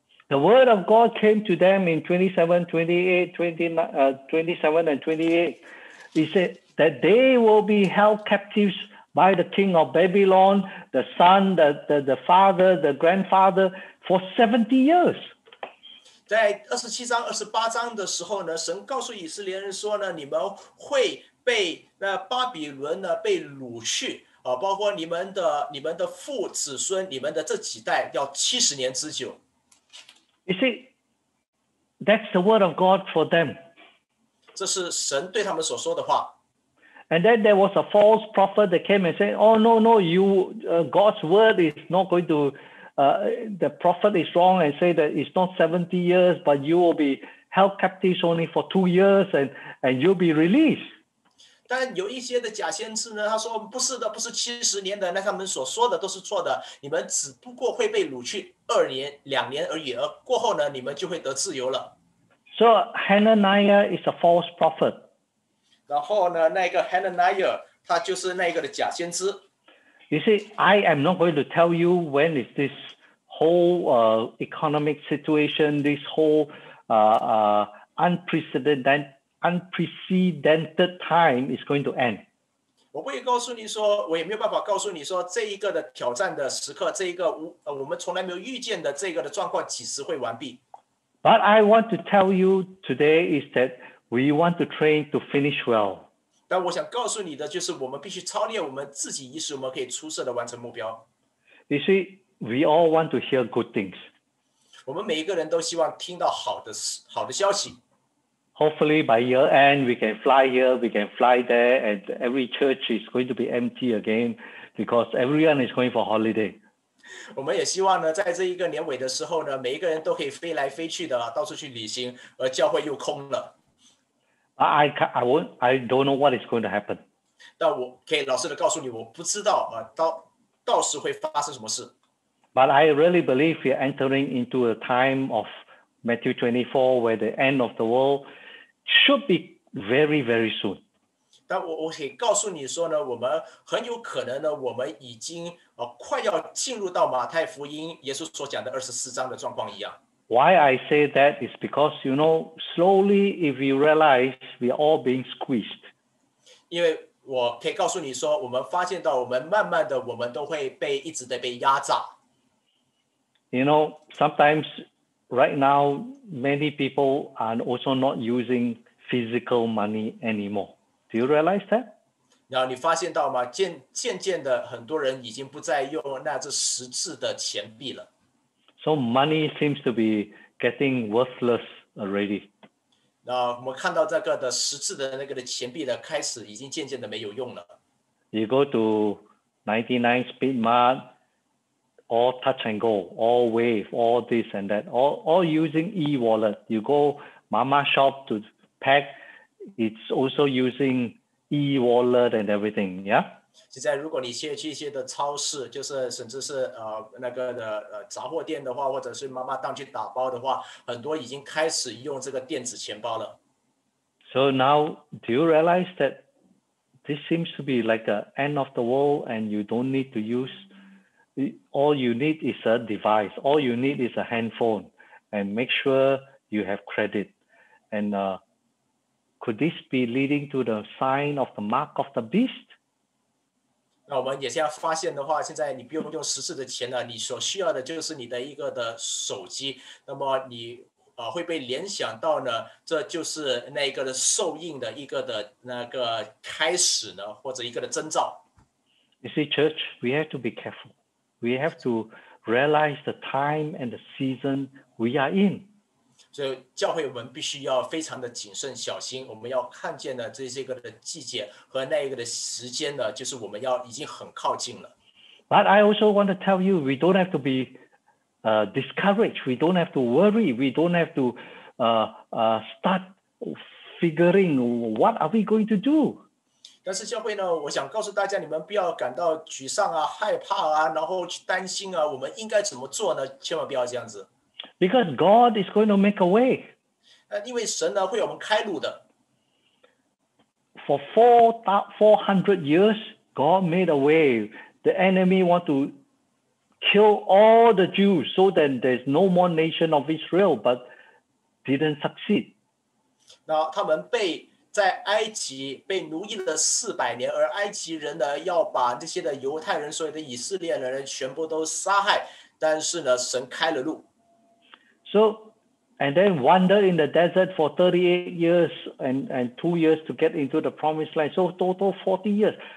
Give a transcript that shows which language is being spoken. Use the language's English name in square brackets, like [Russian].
[English] The word of God came to them in 27 and 28. He said that they will be held captives. By the king of Babylon, the son, the father, the grandfather, for 70 years. [Chinese] 在27章、28章的时候呢，神告诉以色列人说呢，你们会被那巴比伦呢被掳去啊，包括你们的父子孙，你们的这几代要70年之久。 [English] You see, that's the word of God for them. [Chinese] 这是神对他们所说的话。 [English] And then there was a false prophet that came and said, oh, no, God's word is not going to, the prophet is wrong and say that it's not 70 years, but you will be held captive only for 2 years and you'll be released. [Chinese] 但有一些的假先知呢，他说不是的，不是70年的，那他们所说的都是错的，你们只不过会被掳去2年而已，而过后呢，你们就会得自由了。 [English] So Hananiah is a false prophet. [Chinese] 然后呢，那个 Hananiah 他就是那个的假先知。 [English] You see, I am not going to tell you when is this whole economic situation, this whole unprecedented time is going to end. [Chinese] 我不会告诉你说，我也没有办法告诉你说这一个的挑战的时刻，这一个我们从来没有遇见的这个的状况几时会完毕。 [English] But I want to tell you today is that. We want to train to finish well. [Chinese] 但我想告诉你的就是我们必须操练我们自己，以使我们可以出色的完成目标。 [English] You see, we all want to hear good things. [Chinese] 我们每一个人都希望听到好的消息。 [English] Hopefully by year end, we can fly here, we can fly there, and every church is going to be empty again because everyone is going for holiday. [Chinese] 我们也希望呢，在这一个年尾的时候呢，每一个人都可以飞来飞去的，到处去旅行，而教会又空了。 [English] I don't know what is going to happen. [Chinese] 但我可以老实的告诉你，我不知道到时会发生什么事。 [English] But I really believe we're entering into a time of Matthew 24, where the end of the world should be very, very soon. [Chinese] 但我可以告诉你说呢，我们很有可能呢，我们已经快要进入到马太福音耶稣所讲的24章的状况一样。 [English] Why I say that is because, you know, slowly if you realize we are all being squeezed. [Chinese] 因为我可以告诉你说，我们发现到我们慢慢的，我们都会被一直的被压榨。 [English] You know, sometimes right now, many people are also not using physical money anymore. Do you realize that? [Chinese] 然后你发现到吗？渐渐的，很多人已经不再用那只实质的钱币了。 [English] So money seems to be getting worthless already. [Chinese] 那我们看到这个的实质的那个的钱币的开始已经渐渐的没有用了。 [English] You go to 99 speed mart, all touch and go, all wave, all this and that, all using e-wallet. You go mama shop to pack, it's also using e-wallet and everything, yeah? [Chinese] 现在如果你现在去一些的超市，就是甚至是那个的杂货店的话，或者是妈妈当去打包的话，很多已经开始用这个电子钱包了。 [English] So now, do you realize that this seems to be like the end of the world, and you don't need to use all you need is a device, all you need is a handphone, and make sure you have credit. And could this be leading to the sign of the mark of the beast? [Chinese] 那我们也现在发现的话，现在你不用用实质的钱了，你所需要的就是你的一个的手机。那么你会被联想到呢，这就是那一个的受印的一个的那个开始呢，或者一个的征兆。 [English] You see, church, we have to be careful. We have to realize the time and the season we are in. [Chinese] 所以教会我们必须要非常的谨慎小心，我们要看见的这些个的季节和那一个的时间呢，就是我们要已经很靠近了。 [English] But I also want to tell you, we don't have to be discouraged. We don't have to worry. We don't have to start figuring what are we going to do. [Chinese] 但是教会呢，我想告诉大家，你们不要感到沮丧啊、害怕啊，然后去担心啊，我们应该怎么做呢？千万不要这样子。 [English] Because God is going to make a way. [Chinese] 因为神呢会我们开路的。 [English] For 400 years, God made a way. The enemy want to kill all the Jews so that there's no more nation of Israel, but didn't succeed. [Chinese] 那他们被在埃及被奴役了400年，而埃及人呢要把这些的犹太人所有的以色列人全部都杀害，但是呢神开了路。 [English] So, and then wander in the desert for 38 years and 2 years to get into the promised land. So, total 40 years.